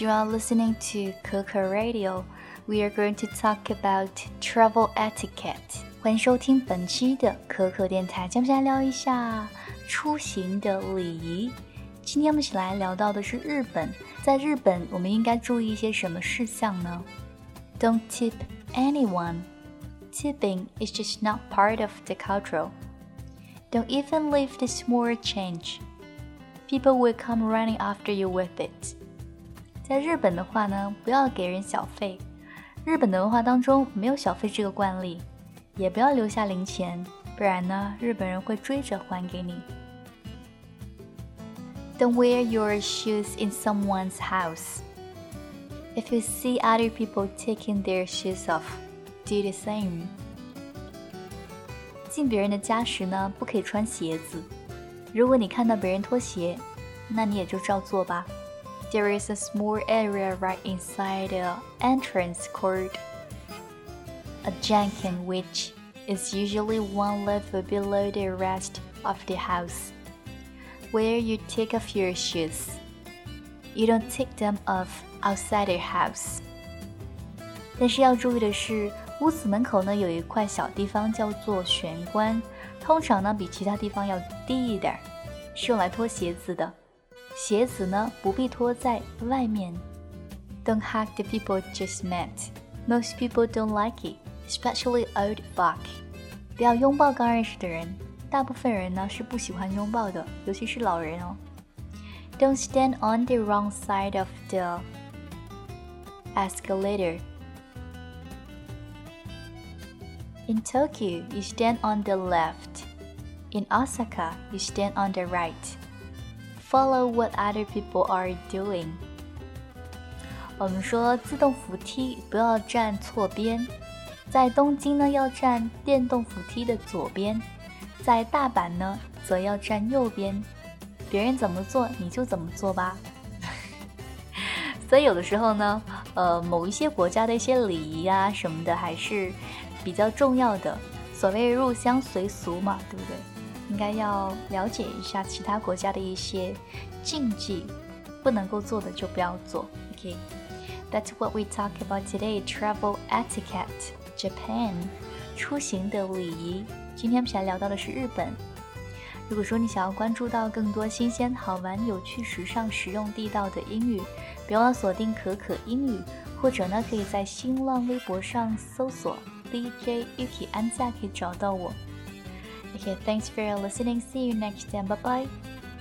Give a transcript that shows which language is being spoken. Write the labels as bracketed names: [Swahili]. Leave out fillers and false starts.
[English] You are listening to Coco Radio. We are going to talk about travel etiquette. [Chinese] 欢迎收听本期的可可电台，接下来聊一下出行的礼仪。今天我们一起来聊到的是日本。在日本，我们应该注意一些什么事项呢 ？ [English] Don't tip anyone. Tipping is just not part of the culture. Don't even leave the small change. People will come running after you with it. [Chinese] 在日本的话呢，不要给人小费。日本的文化当中没有小费这个惯例，也不要留下零钱，不然呢，日本人会追着还给你。 [English] Don't wear your shoes in someone's house. If you see other people taking their shoes off, do the same. [Chinese] 进别人的家时呢，不可以穿鞋子。如果你看到别人脱鞋，那你也就照做吧。 [English] There is a small area right inside the entrance called a janken, which is usually one level below the rest of the house, where you take off your shoes. You don't take them off outside the house. [Chinese] 但是要注意的是，屋子门口呢有一块小地方叫做玄关，通常呢比其他地方要低一点，是用来脱鞋子的。鞋子呢不必脱在外面。 [English] Don't hug the people just met. Most people don't like it, especially old buck. [Chinese] 不要拥抱刚认识的人，大部分人呢是不喜欢拥抱的，尤其是老人哦。 [English] Don't stand on the wrong side of the escalator. In Tokyo, you stand on the left. In Osaka, you stand on the right. Follow what other people are doing. [Chinese] 我们说自动扶梯不要站错边，在东京呢要站电动扶梯的左边，在大阪呢则要站右边。别人怎么做你就怎么做吧。所以有的时候呢，某一些国家的一些礼仪啊什么的还是比较重要的，所谓入乡随俗嘛，对不对？应该要了解一下其他国家的一些禁忌，不能够做的就不要做。 [English] Okay, that's what we talk about today. Travel etiquette, Japan, [Chinese] 出行的礼仪。今天我们想聊到的是日本。如果说你想要关注到更多新鲜好玩有趣时尚实用地道的英语，别忘了锁定可可英语，或者呢可以在新浪微博上搜索DJ Yuki Anza 可以找到我。 [English] Okay, thanks for listening. See you next time. Bye bye.